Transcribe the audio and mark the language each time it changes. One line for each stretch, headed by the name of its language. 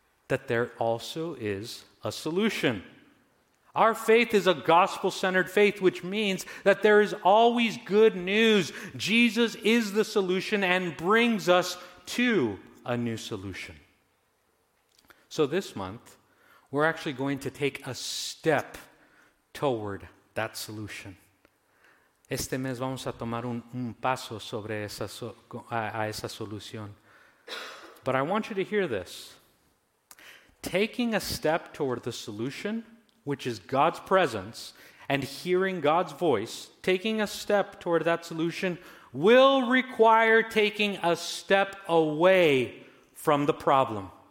English: that there also is a solution. Our faith is a gospel-centered faith, which means that there is always good news. Jesus is the solution and brings us to a new solution. So this month, we're actually going to take a step toward that solution.
Spanish: Este mes vamos a tomar un paso sobre esa esa solución.
English: But I want you to hear this. Taking a step toward the solution, which is God's presence, and hearing God's voice, taking a step toward that solution will require taking a step away from the problem.